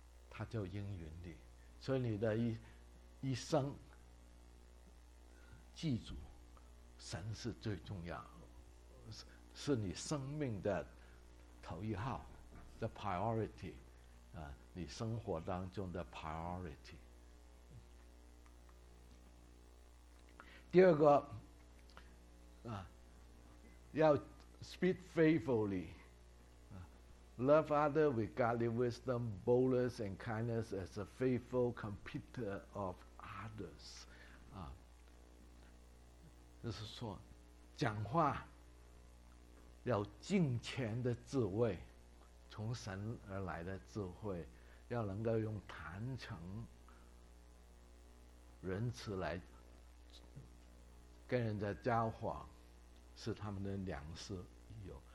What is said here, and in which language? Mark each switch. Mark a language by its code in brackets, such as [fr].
[zh] 他就应允你，所以你的一生，记住，神是最重要，是你生命的头一号， [en] the priority。 [zh] 你生活当中的 priority。第二个要 [en] speak faithfully, love others with godly wisdom, boldness and kindness as a faithful computer of others. [zh] 就是说，讲话要敬虔的智慧，从神而来的智慧，要能够用坛诚、仁慈来跟人家交往，是他们的良师益友。